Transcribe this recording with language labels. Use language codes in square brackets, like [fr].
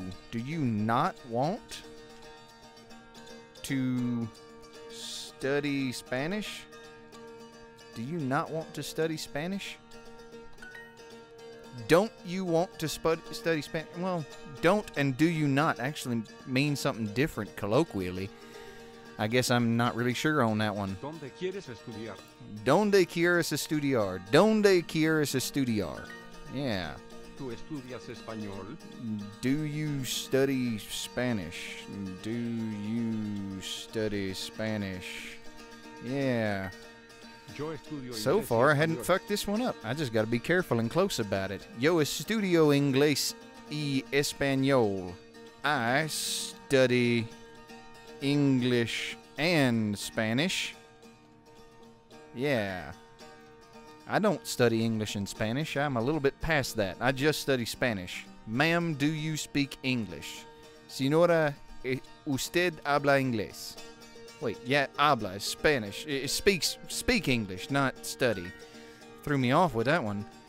[en] Do you not want to study Spanish? Do you not want to study Spanish? Don't you want to study Spanish? Well, don't and do you not actually mean something different colloquially. I guess I'm not really sure on that one. [es] ¿Dónde quieres estudiar? ¿Dónde quieres estudiar? ¿Dónde quieres estudiar? [en] Yeah. [es] ¿Tú estudias español? [en] Do you study Spanish? Do you study Spanish? Yeah. [es] Yo estudio [en] so far, [es] español. [en] I hadn't fucked this one up. I just got to be careful and close about it. [es] Yo estudio inglés y español. [en] I study English and Spanish. Yeah. I don't study English and Spanish. I'm a little bit past that. I just study Spanish. Ma'am, do you speak English? [es] Señora, ¿usted habla inglés? [en] Wait, yeah, habla, Spanish. Speak English, not study. Threw me off with that one.